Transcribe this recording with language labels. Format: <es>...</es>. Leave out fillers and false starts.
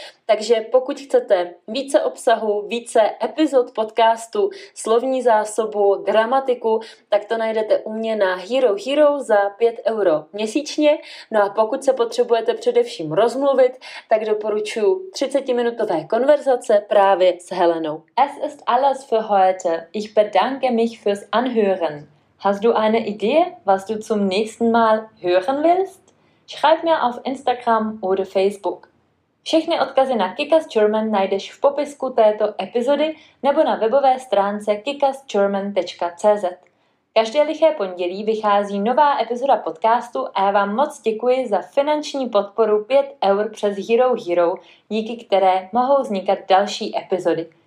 <cs>Takže pokud chcete více obsahu, více epizod podcastu, slovní zásobu, gramatiku, tak to najdete u mě na Hero Hero za 5 euro měsíčně. No a pokud se potřebujete především rozmluvit, tak doporučuji 30-minutové konverzace právě s Helenou.</cs> <de>Es ist alles für heute. Ich bedanke mich fürs Anhören. Hast du eine Idee, was du zum nächsten Mal hören willst? Schreib mir auf Instagram oder Facebook.</de> <cs>Všechny odkazy na Kikas German najdeš v popisku této epizody nebo na webové stránce kikasgerman.cz. Každé liché pondělí vychází nová epizoda podcastu a já vám moc děkuji za finanční podporu 5 eur přes Hero Hero, díky které mohou vznikat další epizody.</cs>